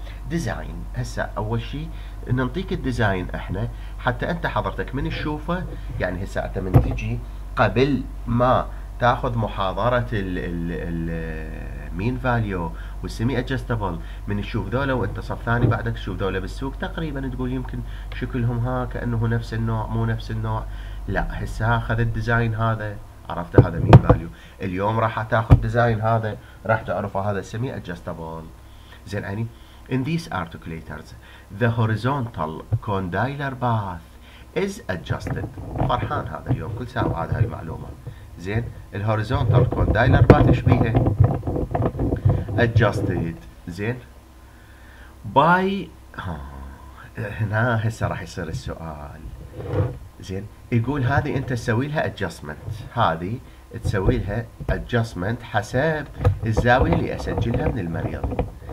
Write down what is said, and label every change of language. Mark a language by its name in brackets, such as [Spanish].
[Arabic] ديزاين، هسه اول شيء ننطيك الديزاين احنا حتى انت حضرتك من تشوفه، يعني هسه انت من تجي قبل ما تاخذ محاضره ال مين فاليو والسيمي ادجستبل، من تشوف ذولا وانت صف ثاني بعدك تشوف ذولا بالسوق تقريبا تقول يمكن شكلهم ها كانه نفس النوع مو نفس النوع. لا، هسه اخذ الديزاين هذا، عرفت هذا مين فاليو، اليوم راح تاخذ ديزاين هذا راح تعرف هذا سيمي ادجستبل. زين عيني، [English] in these articulators the horizontal condylar path is adjusted. [Arabic] فرحان هذا اليوم، كل ساعه عاد هاي المعلومه. زين، الهوريزونتال كوندايلر باث ايش بيها؟ adjusted. زين، باي هنا هسه راح يصير السؤال. زين، يقول هذه انت تسوي لها ادجستمنت، هذه تسوي لها ادجستمنت حسب الزاويه اللي اسجلها من المريض.